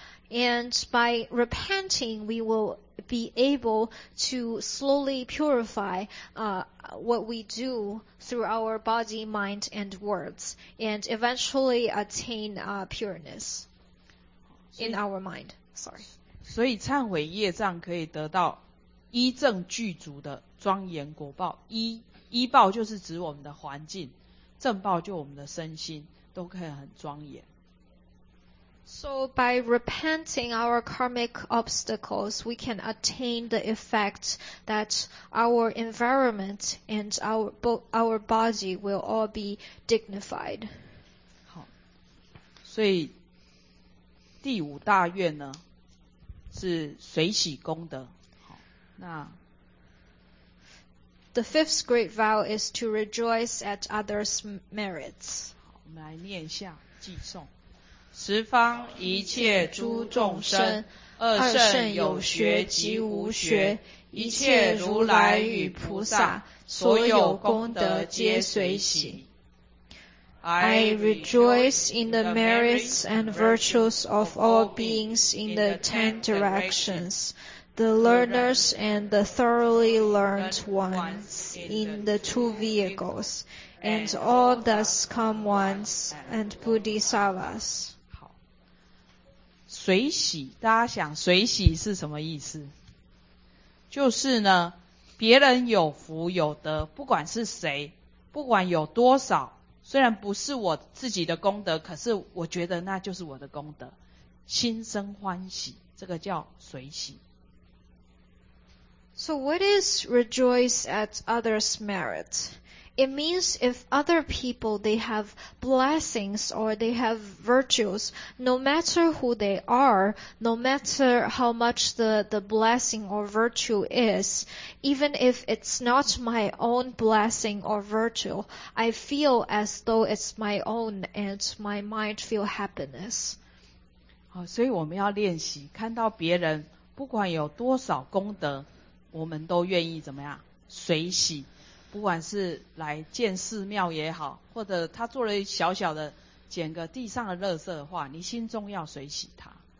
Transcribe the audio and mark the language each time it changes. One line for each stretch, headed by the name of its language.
English: And by repenting, we will be able to slowly purify what we do through our body, mind, and words, and eventually attain pureness in our mind. Sorry.
Chinese: 所以忏悔业障可以得到依正具足的庄严果报。依报就是指我们的环境，正报就我们的身心都可以很庄严。
English: So by repenting our karmic obstacles, we can attain the effect that our environment and our body will all be dignified.
Chinese: 好，所以第五大愿呢是随喜功德。好，那
English: The fifth great vow is to rejoice at others' merits.
Chinese: 好，我们来念一下偈颂。十方一切诸众生，二圣有学及无学，一切如来与菩萨，所有功德皆随喜。
English: I rejoice in the merits and virtues of all beings in the ten directions, the learners and the thoroughly learned ones in the two vehicles, and all thus come ones and bodhisattvas.
Chinese: 随喜，大家想随喜是什么意思？就是呢，别人有福有德，不管是谁，不管有多少，虽然不是我自己的功德，可是我觉得那就是我的功德，心生欢喜，这个叫随喜。
English: So what is rejoice at others' merit? It means if other people, they have blessings or they have virtues, no matter who they are, no matter how much the blessing or virtue is, even if it's not my own blessing or virtue, I feel as though it's my own and my mind feel happiness.
Chinese: 好，所以我们要练习，看到别人，不管有多少功德，我们都愿意怎么样？随喜。不管是来建寺庙也好，或者他做了小小的捡个地上的垃圾的话，你心中要随喜他。